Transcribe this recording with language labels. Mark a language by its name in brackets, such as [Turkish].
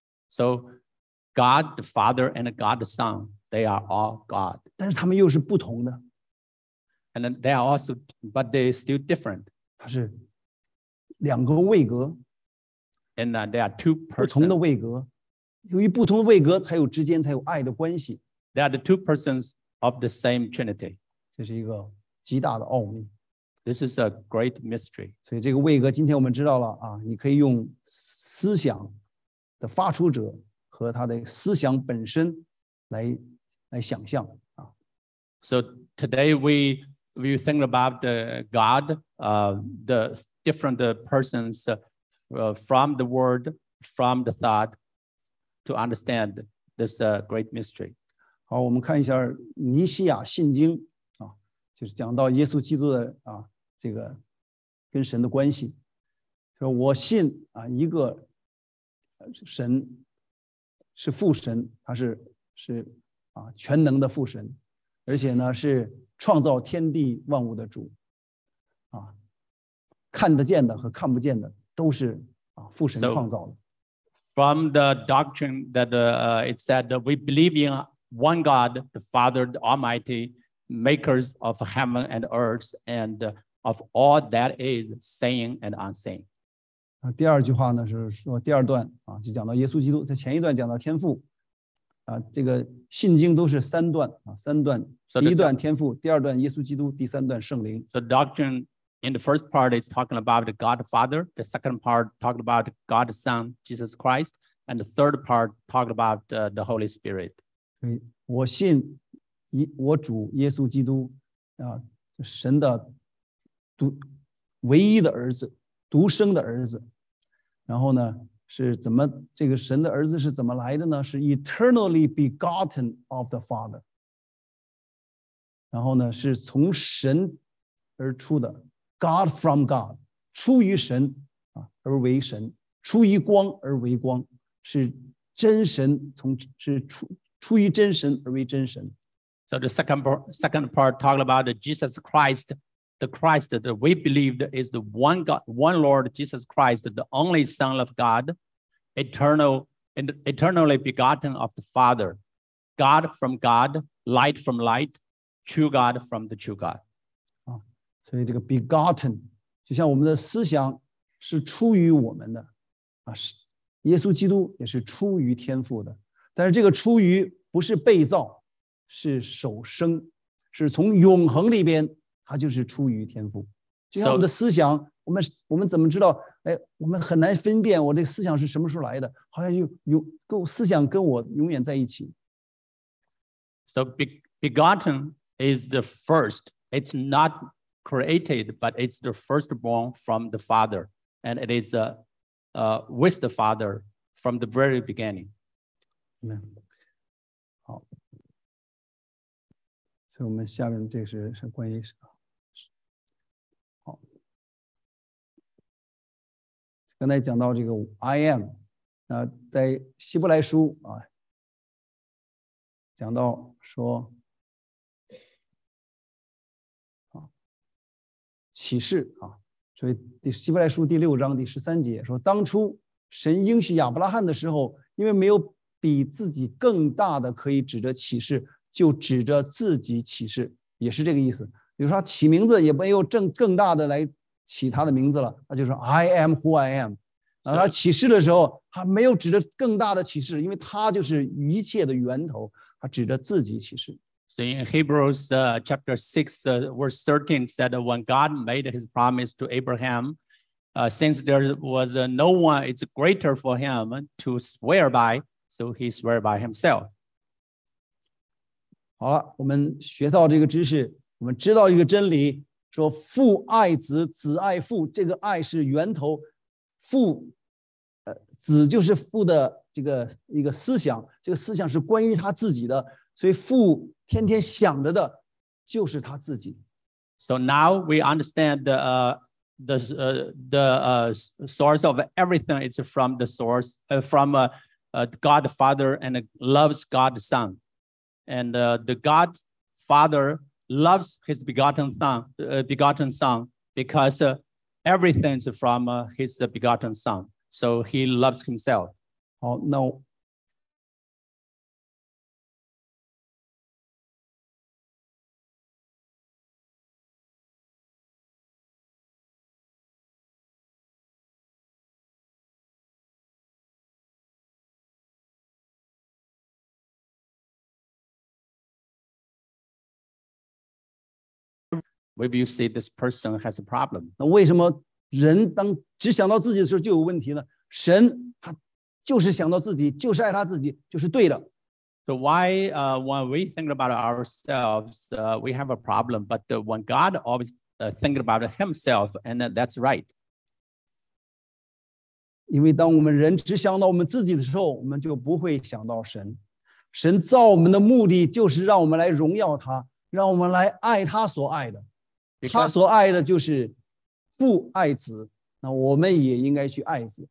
[English] So, God the Father and God the Son, they are all God. [Chinese] 但是他们又是不同的。 [English] And they are also, but they are still different. [Chinese] 他是两个位格。 [English] And they are two persons. [Chinese] 不同的位格。由于不同的位格才有之间才有爱的关系。 [English] They are the two persons of the same Trinity. [Chinese] 这是一个极大的奥秘。 [English] This is a great mystery. [Chinese] 所以这个位格今天我们知道了啊，你可以用思想。的发出者和他的思想本身 来想象、啊、 [English] So today we think about God, the different persons from the word, from the thought, to understand this great mystery. [Chinese] 好，我们看一下尼西亚信经、啊、就是讲到耶稣基督的、啊、这个跟神的关系。说我信、啊、一个神是父神，他是、啊、全能的父神，而且呢是创造天地万物的主、啊、看得见的和看不见的都是、啊、父神创造的。 [English] So, from the doctrine that it said that we believe in one God, the Father, the Almighty, makers of heaven and earth, and of all that is seen and unseen. [Chinese] 第二句话呢是说第二段、啊、就讲到耶稣基督，在前一段讲到天父，这个信经都是三段啊，三段。第一段天父，第二段耶稣基督，第三段圣灵。 [English] So doctrine in the first part is talking about the God the Father. The second part talking about God the Son, Jesus Christ, and the third part talking about the Holy Spirit. [Chinese] 对，我信我主耶稣基督啊，神的独唯一的儿子，独生的儿子。然后呢？是怎么这个神的儿子是怎么来的呢？是 [English] eternally begotten of the Father， [Chinese] 然后呢是从神而出的 ， [English] God from God， [Chinese] 出于神啊而为神，出于光而为光，是真神从是 出于真神而为真神。 [English] So the second part talking about Jesus Christ， the Christ that we believed is the one God， one Lord Jesus Christ， the only Son of God。 Eternally begotten of the Father, God from God, light from light, true God from the true God. [Chinese] 啊，所以这个 begotten 就像我们的思想是出于我们的啊，是耶稣基督也是出于天父的，但是这个出于不是被造，是首生，是从永恒里边，它就是出于天父。就像我们的思想， [English] so, [Chinese] 我们怎么知道？哎，我们很难分辨我这个思想是什么时候来的，好像有跟思想跟我永远在一起。 [English] So begotten is the first; it's not created, but it's the firstborn from the Father, and it is with the Father from the very beginning. Amen. [Chinese] 好，所以我们下面这是关于。刚才讲到这个 [English] I am， [Chinese] 在希伯来书啊，讲到说，啊，启示啊，所以希伯来书第六章第十三节说，当初神应许亚伯拉罕的时候，因为没有比自己更大的可以指着启示，就指着自己启示，也是这个意思。比如说起名字也没有更大的来起他的名字了，他就说 [English] I am who I am。 So, [Chinese] 他启示的时候他没有指着更大的启示，因为他就是一切的源头，他指着自己启示。 [English] So in Hebrews chapter 6 verse 13 said when God made his promise to Abraham, since there was no one it's greater for him to swear by, so he swear by himself. [Chinese] 好了，我们学到这个知识，我们知道一个真理，说父爱子，子爱父，这个爱是源头，父子就是父的这个一个思想，这个思想是关于他自己的，所以父天天想着的就是他自己。 [English] So now we understand the source of everything is from the source God the Father and loves God the Son, and the God Father loves his begotten Son because everything is from his begotten Son. So he loves himself. [Chinese] 好，那 [English] ，maybe you see this person has a problem. [Chinese] 那为什么？人当只想到自己的时候就有问题呢，神他就是想到自己，就是爱他自己，就是对的。 [English] So why when we think about ourselves we have a problem, but when God always think about himself and that's right. [Chinese] 因为当我们人只想到我们自己的时候，我们就不会想到神。神造我们的目的就是让我们来荣耀他，让我们来爱他所爱的。他所爱的就是父爱子，那我们也应该去爱子。